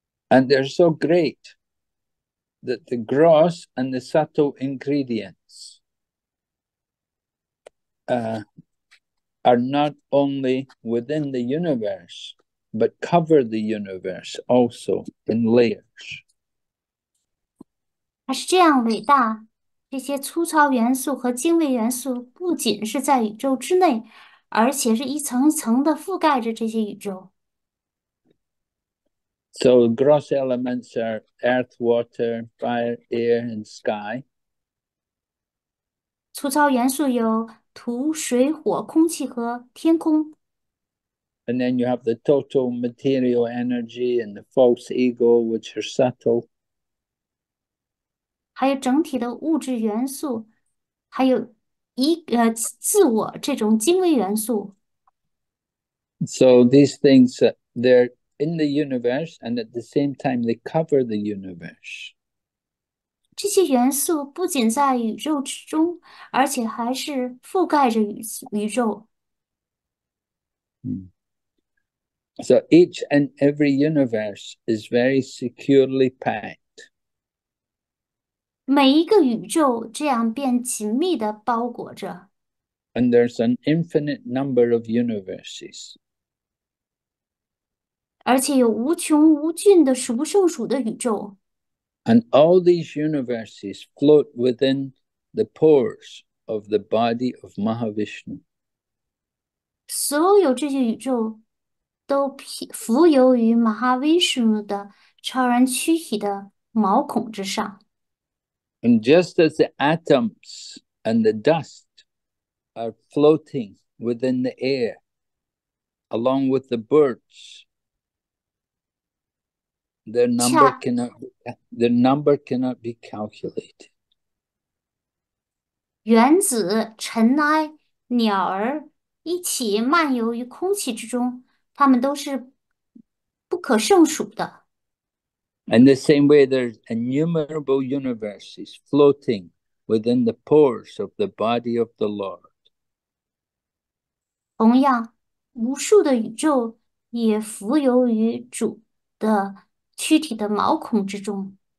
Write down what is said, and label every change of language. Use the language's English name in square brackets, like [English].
[English] And they're so great that the gross and the subtle ingredients are not only within the universe, but cover the universe also in layers. [Chinese] 这些粗糙元素和精微元素不仅是在宇宙之内，而且是一层一层地覆盖着这些宇宙。 [English] So gross elements are earth, water, fire, air, and sky. [Chinese] 粗糙元素有土、水、火、空气和天空。 [English] And then you have the total material energy and the false ego, which are subtle. [Chinese] 还有整体的物质元素，还有自我这种精微元素。 [English] So these things, they're in the universe, and at the same time, they cover the universe. [Chinese] 这些元素不仅在宇宙之中，而且还是覆盖着宇宙。 [English] So each and every universe is very securely packed. [Chinese] 每一个宇宙这样便紧密地包裹着， [English] And there's an infinite number of universes. [Chinese] 而且有无穷无尽的数不胜数的宇宙。 [English] And all these universes float within the pores of the body of Mahavishnu. [Chinese] 所有这些宇宙都浮游于马哈维什努的超然躯体的毛孔之上。 [English] And just as the atoms and the dust are floating within the air, along with the birds, their number cannot be calculated. [Chinese] 原子、尘埃、鸟儿一起漫游于空气之中，它们都是不可胜数的。 [English] In the same way, there's innumerable universes floating within the pores of the body of the Lord. [Chinese] 同样，无数的宇宙也浮游于主的躯体的毛孔之中。